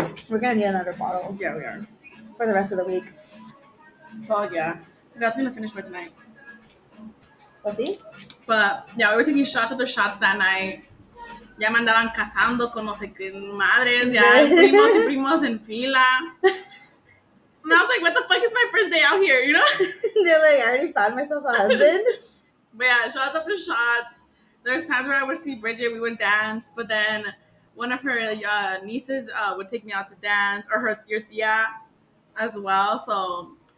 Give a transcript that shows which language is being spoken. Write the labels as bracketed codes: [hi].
[en] We're going to need another bottle. Yeah, we are. For the rest of the week. Fuck yeah. That's going to finish by tonight. We'll see. But yeah, we were taking shots after shots that night. [es] Ya me andaban casando con no sé qué madres, ya primos y primos en fila. [en] And I was like, what the fuck is my first day out here, you know? They're like, I already found myself a husband. But yeah, shots after shots. There's times where I would see Bridget, we would dance, but then one of her nieces would take me out to dance, or your tía as well, so.